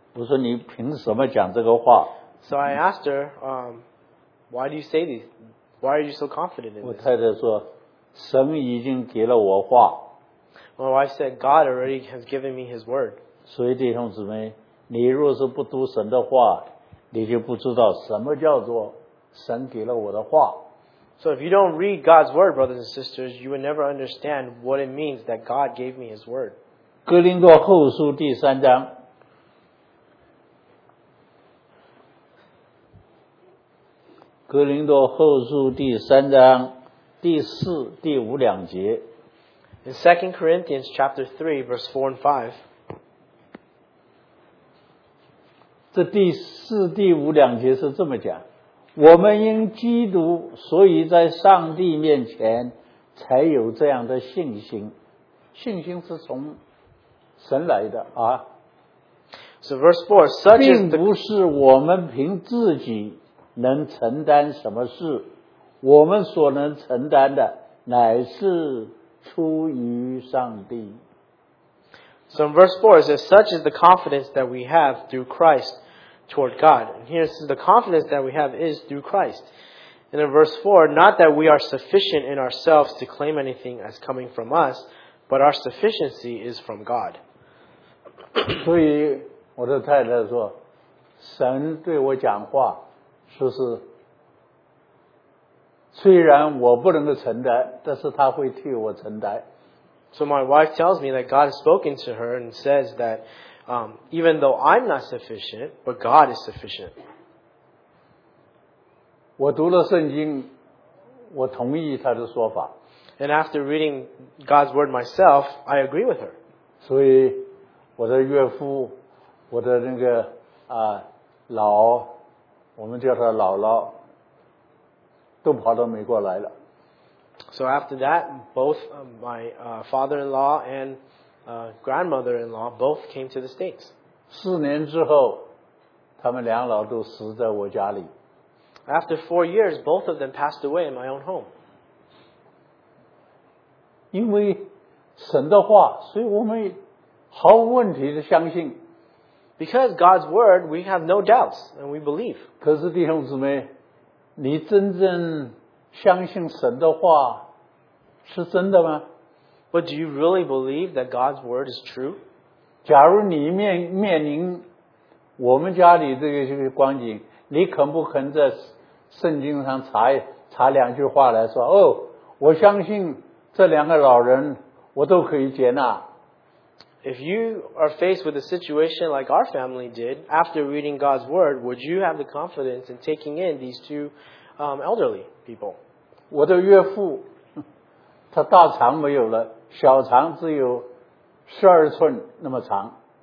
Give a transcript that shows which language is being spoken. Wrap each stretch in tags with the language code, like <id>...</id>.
<zh>我说你凭什么讲这个话?</zh> <en>So I asked her, why do you say this? Why are you so confident in this?</en> <zh>我太太说,神已经给了我话。</zh> <en>My wife said, God already has given me his word.</en> <zh>所以弟兄姊妹,你若是不读神的话,你就不知道什么叫做神给了我的话。</zh> <en>So if you don't read God's word, brothers and sisters, you would never understand what it means that God gave me His word.</en> <zh>哥林多后书第三章哥林多后书第三章第四第五两节</zh> <en>In 2 Corinthians chapter 3 verse 4 and 5</en> <zh>这第四第五两节是这么讲我们因基督，所以在上帝面前才有这样的信心。信心是从神来的啊。</zh> <en>So verse 4, such is</en> <zh>并不是我们凭自己能承担什么事，我们所能承担的乃是出于上帝。</zh> <en>So in verse 4, it says, such is the confidence that we have through Christ. Toward God. And here's the confidence that we have is through Christ. And in verse 4, not that we are sufficient in ourselves to claim anything as coming from us, but our sufficiency is from God.</en> <zh>所以我的太太说神对我讲话说是虽然我不能够承担但是他会替我承担。</zh> <en>So my wife tells me that God has spoken to her and says thateven though I'm not sufficient, but God is sufficient.</en> <zh>我读了圣经，我同意他的说法。</zh> <en>And after reading God's word myself, I agree with her.</en> <zh>所以我的岳父，我的那个老，我们叫他姥姥，都跑到美国来了。</zh> <en>So after that, both my father-in-law and grandmother-in-law both came to the States.</en> <zh>四年之后他们两老都死在我家里。</zh> <en>After 4 years, both of them passed away in my own home.</en> <zh>因为神的话所以我们毫无问题的相信。</zh> <en>Because God's word, we have no doubts and we believe.</en> <zh>可是弟兄姊妹你真正相信神的话是真的吗？</zh> <en>But do you really believe that God's word is true?</en> <zh>假如你面临我们家里这个光景，你肯不肯在圣经上查两句话来说，哦，我相信这两个老人，我都可以接纳。</zh> <en>If you are faced with a situation like our family did, after reading God's word, would you have the confidence in taking in these two elderly people?</en> <zh>我的岳父他大肠没有了，小肠只有12寸那么长。</zh>